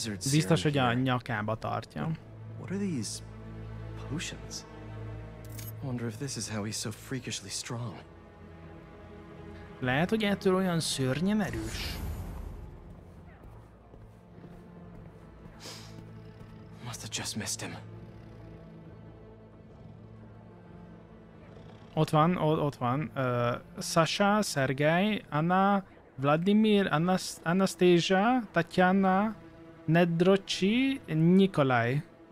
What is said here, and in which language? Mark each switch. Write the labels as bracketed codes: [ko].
[hu] Biztos, hogy a nyakába tartja. [en] What are these potions? Wonder if this is how he's so freakishly strong. [hu] Lehet, hogy ettől olyan szörnyen erős. [en] Must have just missed him. [hu] Ott van. Sasha, Sergei, Anna, Vladimir, Anastasia, Tatjana, Nedrocsi, Nikolaj.